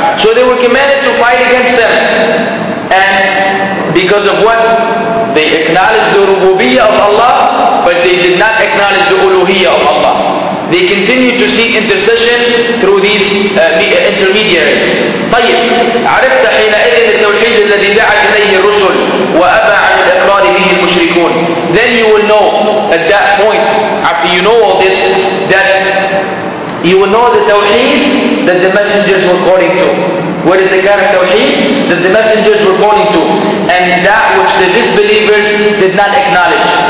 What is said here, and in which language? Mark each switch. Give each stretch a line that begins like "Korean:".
English: So they were commanded to fight against them. And because of what? They acknowledged the rububiyyah of Allah, but they did not acknowledge the uluhiyyah of Allah. They continued to seek intercession through these intermediaries.
Arabic: طيب عرفت حينئذ التوحيد الذي دعت إليه الرسل وأبى عن الإقرار به المشركون.
English: Then you will know at that point, after you know all this, that you will know the tawheed that the messengers were calling to. What is the kind of tawheed that the messengers were calling to? And that which the disbelievers did not acknowledge.